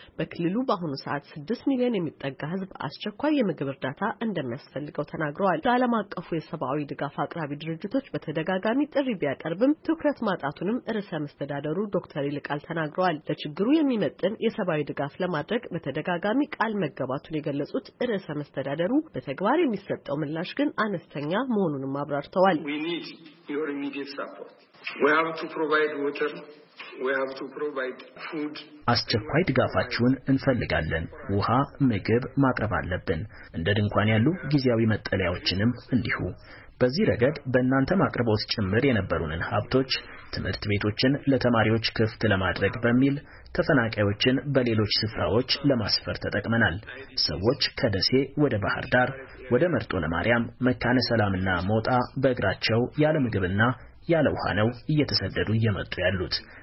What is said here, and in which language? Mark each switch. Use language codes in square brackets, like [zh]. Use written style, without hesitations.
[am] በክልሉ በአሁኑ ሰዓት 6 ሚሊዮን የሚጠጋ ህዝብ አስቸኳይ የምግብ እርዳታ እንደሚያስፈልገው ተናግረዋል። ዓለም አቀፉ የሰብአዊ ድጋፍ አቅራቢ ድርጅቶች በተደጋጋሚ ጥሪ ቢያቀርብም ትኩረት ማጣቱንም ርዕሰ መስተዳደሩ ዶክተር ይልቃል ተናግረዋል። ለችግሩ የሚመጥን የሰብአዊ ድጋፍ ለማድረግ በተደጋጋሚ ቃል መገባቱን የገለጹት ርዕሰ መስተዳደሩ በተግባር የሚሰጠው ምላሽ ግን አነስተኛ መሆኑንም አብራርተዋል። [en] We need your immediate support. We have to provide water. We have to provide food. [am] አስቸኳይ ድጋፋችሁን እንፈልጋለን። ውሃ፣ ምግብ ማቅረብ አለብን። እንደ ድንኳን ያሉ ጊዜያዊ መጠለያዎችንም እንዲሁ። በዚህ ረገድ በእናንተ ማቅረቦት ጭምር የነበሩንን ሀብቶች፣ ትምህርት ቤቶችን ለተማሪዎች ክፍት ለማድረግ በሚል ተፈናቃዮችን በሌሎች ስፍራዎች ለማስፈር ተጠቅመናል። ሰዎች ከደሴ ወደ ባህር ዳር፣ ወደ መርጦለ ማርያም፣ መካነ ሰላምና ሞጣ በእግራቸው ያለ ምግብና ያለ ውሃ ነው እየተሰደዱ እየመጡ ያሉት።